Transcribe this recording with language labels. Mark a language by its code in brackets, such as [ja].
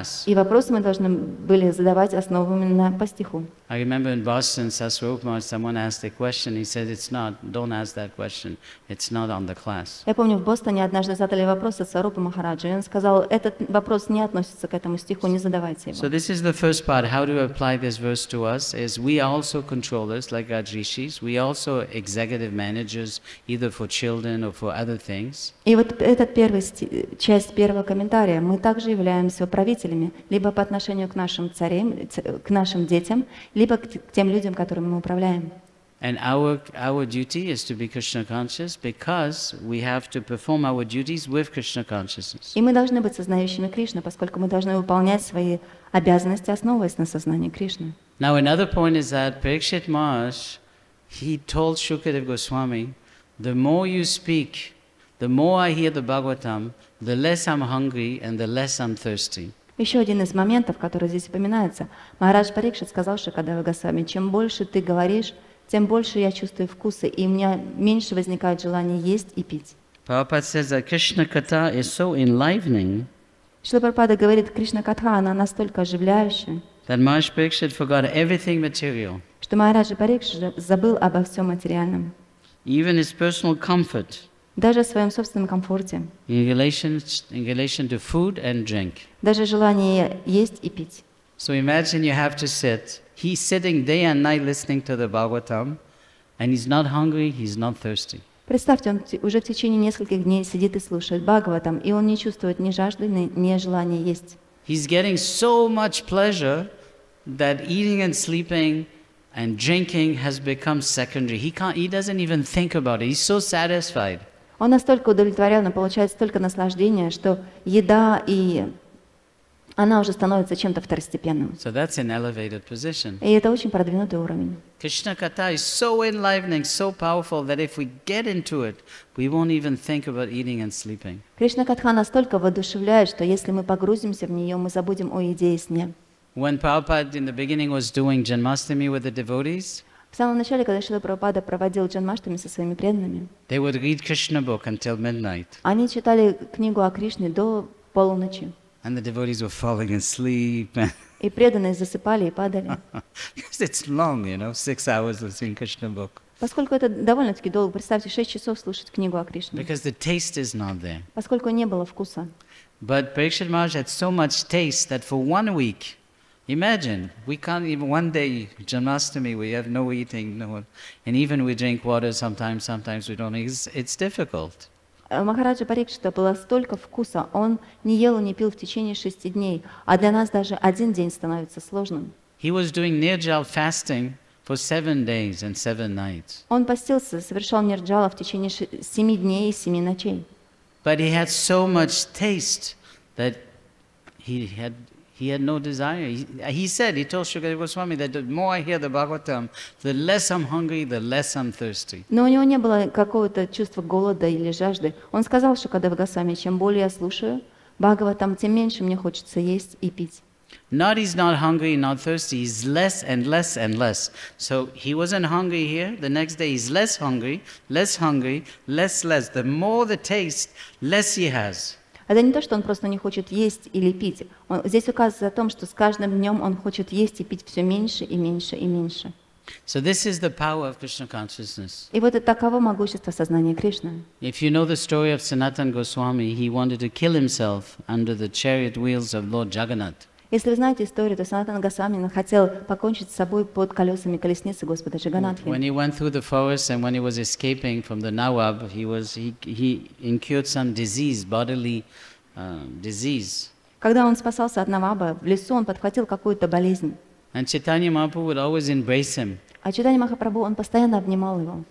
[ru] И вопросы мы должны были задавать основанно по стиху. [en] I remember in Boston, Saswarupamaj, someone asked a question. He said, "It's not. Don't ask that question. It's not on the class." [ru] Я помню, в Бостоне однажды задали вопрос Сарупа Махараджу, и он сказал, этот вопрос не относится к этому стиху, не задавайте его. [en] So this is the first part. How do we apply this verse to us? Is we are also controllers, like our rishis. We are also executive managers, either for children or for other things. [ru] И вот этот первый часть первого комментария. Мы также являемся управителями, либо по отношению к нашим царям, к нашим детям. Либо к тем людям, которыми мы управляем. [en] And our duty is to be Krishna conscious because we have to perform our duties with Krishna consciousness. [ru] И мы должны быть сознающими Кришну, поскольку мы должны выполнять свои обязанности, основываясь на сознании Кришны. [en] Now another point is that Parikshit Maharaj, he told Shukadev Goswami, the more you speak, the more I hear the Bhagavatam, the less I'm hungry and the less I'm thirsty. [ru] Еще один из моментов, который здесь упоминается. Махарадж Парикшит сказал Шукадева Госвами, чем больше ты говоришь, тем больше я чувствую вкусы, и у меня меньше возникает желание есть и пить. [en] Prabhupada says that Krishna Katha is so enlivening. [ru] Шрила Прабхупада говорит, Кришна Катха, она настолько оживляющая, [en] that Махарадж Парикшит forgot everything material. [ru] Что Махарадж Парикшит забыл обо всем материальном. [en] Even his personal comfort. [ru] Даже в своем собственном комфорте. [en] In relation to food and drink. [ru] Даже желание есть и пить. [en] So imagine you have to sit. He's sitting day and night listening to the Bhagavatam, and he's not hungry, he's not thirsty. [ru] Представьте, он уже в течение нескольких дней сидит и слушает Бхагаватам, и он не чувствует ни жажды, ни желания есть. [en] He's getting so much pleasure that eating and sleeping and drinking has become secondary. He doesn't even think about it. He's so satisfied. [ru] Он настолько удовлетворен, он получает столько наслаждения, что еда и она уже становится чем-то второстепенным. [en] So that's an elevated position. [ru] И это очень продвинутый уровень. [en] Krishna Katha is so enlivening, so powerful that if we get into it, we won't even think about eating and sleeping. [ru] Кришна Катха настолько воодушевляет, что если мы погрузимся в нее, мы забудем о еде и сне. [en] When Prabhupada in the beginning was doing Janmashtami with the devotees, [ru] В самом начале, когда Шрила Прабхупада проводил джанмаштами со своими преданными, они читали книгу о Кришне до полуночи. [en] And the devotees were falling asleep. [ru] И преданные засыпали и падали. [en] It's long, you know, 6 hours listening Krishna book. [ru] Поскольку это довольно-таки долго, представьте, 6 часов слушать книгу о Кришне. [en] Because the taste is not there. [ru] Поскольку не было вкуса. [en] But Parikshit Maharaj had so much taste that for 1 week, imagine, we can't even one day Janmashtami, we have no eating, no, and even we drink water sometimes we don't. It's difficult. [ru] Махараджа Парикшита было столько вкуса, он не ел и не пил в течение 6 дней, а для нас даже один день становится сложным. [en] He was doing nirjal fasting for 7 days and 7 nights. [ru] Он постился, совершал нирджала в течение 7 дней и 7 ночей. [en] But he had so much taste that he had no desire. He told Shukadeva Goswami that the more I hear the Bhagavatam, the less I'm hungry, the less I'm thirsty. [ru] Но у него не было какого-то чувства голода или жажды. Он сказал Шукадева Госвами, чем более я слушаю Бхагаватам, тем меньше мне хочется есть и пить. [en] Not he's not hungry, not thirsty. He's less and less and less. So he wasn't hungry here. The next day he's less hungry, less hungry, less, less. The more the taste, less he has. [ru] Это не то, что он просто не хочет есть или пить. Он, здесь указывается о том, что с каждым днем он хочет есть и пить все меньше и меньше и меньше. [en] So this is the power of Krishna consciousness. [ru] И вот это таково могущество сознания Кришны. [en] If you know the story of Sanatan Goswami, he wanted to kill himself under the chariot wheels of Lord Jagannath. [ru] Если вы знаете историю, то Санатан Госвами хотел покончить с собой под колесами колесницы Господа Джаганатхи. [en] When he went through the forest and when he was escaping from the Nawab, he incurred some disease, bodily disease. [ru] Когда он спасался от Наваба, в лесу он подхватил какую-то болезнь. [en] And Chaitanya Mahaprabhu would always embrace him. [ru] А Чайтанья Махапрабху, он постоянно обнимал его.